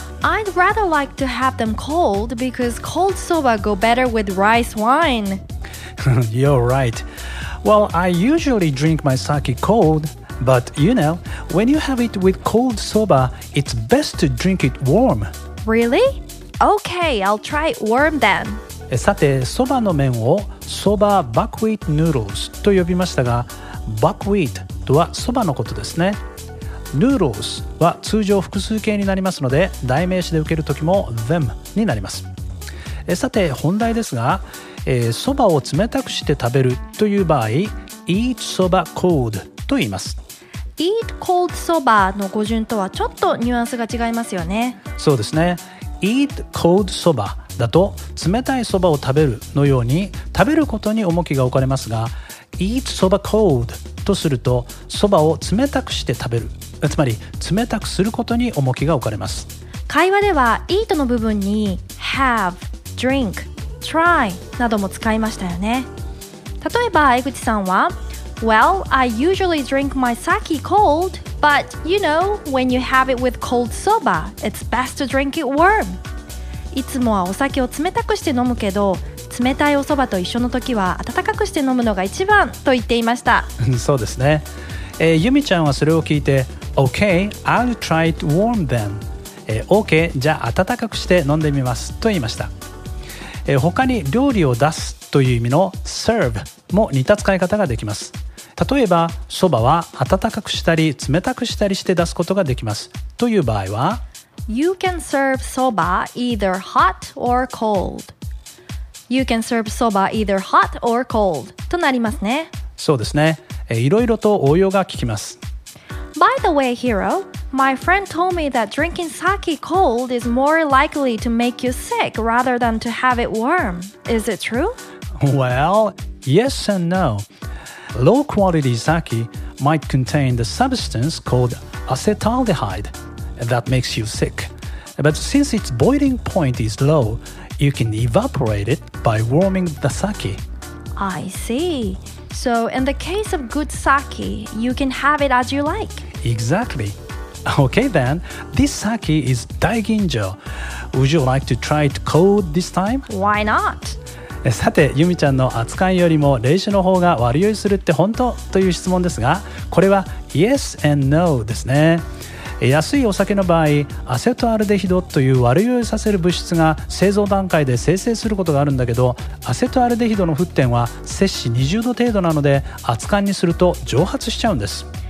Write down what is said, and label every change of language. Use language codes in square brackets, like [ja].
[en] I'd rather like to have them cold because cold soba go better with rice wine. You're right. Well, I usually drink my sake cold. But, you know, when you have it with cold soba, it's best to drink it warm. Really? Okay, I'll try it warm then. [ja] さて、そばの麺をそばバックウィートヌードルズと呼びましたが、バックウィートとはそばのことですね。ヌードルズは通常複数形になりますので、代名詞で受けるときも them になります。さて、本題ですが、そばを冷たくして食べるという場合、 [en] eat soba cold. [ja] と言います。 [en] Eat cold soba [ja] の語順とはちょっとニュアンスが違いますよね。そうですね。 [en] Eat cold soba [ja] だと冷たいそばを食べるのように食べることに重きが置かれますが、 [en] Eat soba cold [ja] とするとそばを冷たくして食べる、つまり冷たくすることに重きが置かれます。会話では Eat の部分に Have, Drink, Try なども使いましたよね。例えば江口さんは [en] Well, I usually drink my sake cold, but you know, when you have it with cold soba, it's best to drink it warm. [ja] いつもはお酒を冷たくして飲むけど、冷たいお蕎麦と一緒の時は温かくして飲むのが一番と言っていました。そうですね。ユミちゃんはそれを聞いて、 [en] Okay, I'll try it warm then. [ja] Okay, じゃあ温かくして飲んでみますと言いました。他に料理を出すという意味の serve も似た使い方ができます。例えばそばは温かくしたり冷たくしたりして出すことができますという場合は [en] You can serve soba either hot or cold. You can serve soba either hot or cold [ja] となりますね。そうですね。いろいろと応用が効きます。 [en] By the way, Hiro, my friend told me that drinking sake cold is more likely to make you sick rather than to have it warm. Is it true? Well, yes and no. Low quality sake might contain the substance called acetaldehyde that makes you sick. But since its boiling point is low, you can evaporate it by warming the sake. I see. So in the case of good sake, you can have it as you like. Exactly. Okay then, this sake is Daiginjo. Would you like to try it cold this time? Why not? [ja] さて、ユミちゃんの扱いよりも冷酒の方が悪酔いするって本当という質問ですが、これは [en] Yes and No [ja] ですね。安いお酒の場合、アセトアルデヒドという悪酔いさせる物質が製造段階で生成することがあるんだけど、アセトアルデヒドの沸点は摂氏20度程度なので熱燗にすると蒸発しちゃうんです。